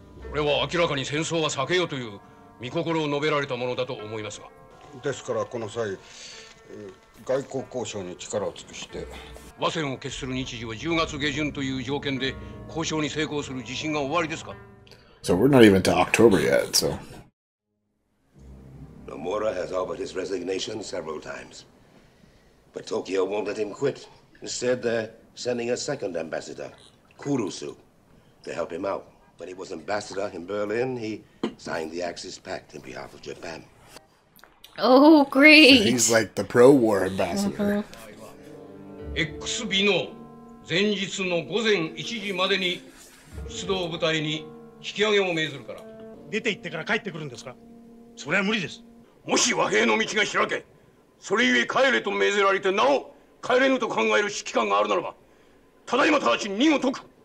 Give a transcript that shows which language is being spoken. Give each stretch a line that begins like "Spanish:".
Japanese: これは明らかに戦争は避けようという御心を述べられたものだと思いますが。ですからこの際、外交交渉に力を尽くして。和戦を決する日時は10月下旬という条件で交渉に成功する自信がおありですか。
English: So we're not even to October yet, so. Nomura has offered his resignation several times, but Tokyo won't let him quit. Instead, they're sending a second ambassador, Kurusu, to help him out. When he was ambassador in Berlin, he signed the Axis Pact in behalf of Japan. Oh, great! So he's like the pro-war ambassador.
Japanese: XB の前日の午前1時までに出動部隊に引き上げを命ずるから。出て行ってから帰ってくるんですか？それは無理です。もし和平の道が開け、それゆえ帰れと命ぜられて、なお帰れぬと考える指揮官があるならば、ただいま直ちに任を解く。